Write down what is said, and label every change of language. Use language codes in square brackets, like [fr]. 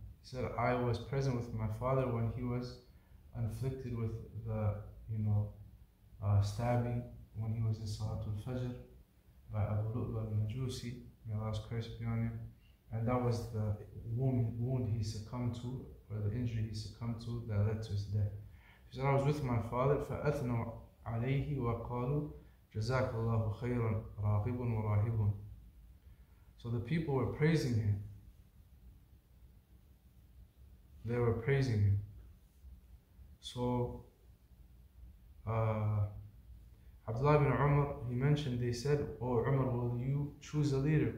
[en] He said, I was present with my father when he was afflicted with the, you know, stabbing, when he was in Salatul Fajr by Abu Lu'la al-Majusi, may Allah's curse be on him, And that was the wound he succumbed to, or the injury he succumbed to, that led to his death. He said, I was with my father, [ar] فَأَثْنُوا عَلَيْهِ وَقَالُوا جَزَاكَ اللَّهُ خَيْرًا رَاغِبٌ وَرَاهِبٌ. [en] So the people were praising him. They were praising him. So Abdullah ibn Umar, he mentioned, they said, oh Umar, will you choose a leader?